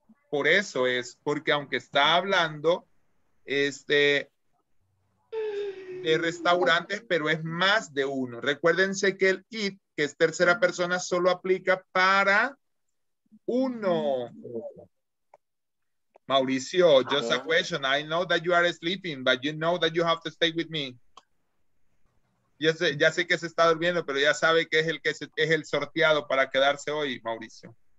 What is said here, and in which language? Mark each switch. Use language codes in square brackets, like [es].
[es] Por eso es, porque aunque está hablando, de restaurantes, pero es más de uno. Recuérdense que el it, que es tercera persona, solo aplica para uno. [en] Mauricio, just a question. I know that you are sleeping, but you know that you have to stay with me. [es] Ya sé que se está durmiendo, pero ya sabe que es el sorteado para quedarse hoy, Mauricio.